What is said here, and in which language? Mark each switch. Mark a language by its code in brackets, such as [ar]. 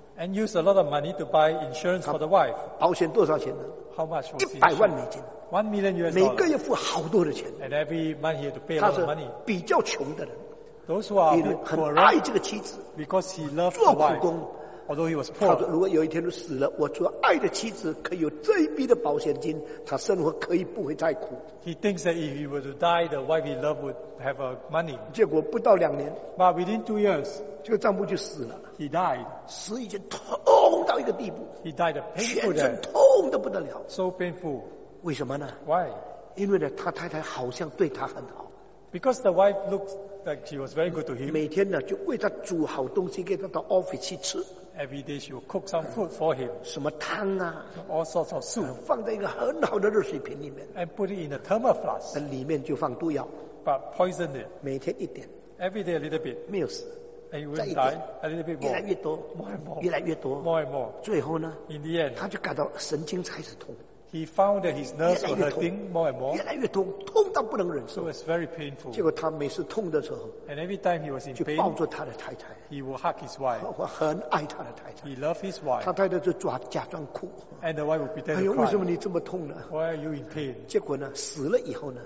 [en] And used a lot of money to buy insurance for the wife. [zh] 保险多少钱呢？ [en] How much was [zh] 100万美金。 [en] $1 million. [zh] 每个月付好多的钱。 [en] And every month he had to pay a lot of money. [zh] 比较穷的人。 [en] Those who are poor, because he loved the wife, [zh] 做苦工， [en] although he was poor. [zh] 他说如果有一天死了，我除了爱的妻子，可以有这一笔的保险金，他生活可以不会太苦。 [en] He thinks that if he were to die, the wife he loved would have a money. [zh] 结果不到两年 [en] ，But within 2 years, [zh] 这个丈夫就死了。 [en] He died. [zh] 死已经痛到一个地步。 [en] He died a painful death. [zh] 全身痛得不得了。 [en] So painful. [zh] 为什么呢 [en] ？Why? [zh] 因为呢，他太太好像对他很好。 [en] Because the wife looks like she was very good to him. [zh] 每天呢，就为他煮好东西给他到 office 去吃。 [en] Every day she will cook some food for him. [zh] 什么汤啊 [en] ？All sorts of soup. [zh] 放在一个很好的热水瓶里面。 [en] And put it in a thermal flask. [zh] 那里面就放毒药。 [en] But poison it. [zh] 每天一点。 [en] Every day a little bit. [zh] 没有死。 [en] And he will die a little bit more. [zh] 越来越多。 [en] More and more. [zh] 越来越多。 [en] More and more. [zh] 最后呢 [en] ？In the end. [zh] 他就感到神经开始痛。 [en] He found that his nerves were hurting more and more. [zh] 越来越痛，痛到不能忍受。 [en] So it's very painful. [zh] 结果他每次痛的时候 [en] ，And every time he was in pain, [zh] 就抱住他的太太。 [en] He will hug his wife. [zh] 我很爱他的太太。 [en] He loved his wife. [zh] 他太太就抓假装哭。 [en] And the wife would pretend to cry. [zh] 哎呦，为什么你这么痛呢 [en] ？Why are you in pain? [zh] 结果呢，死了以后呢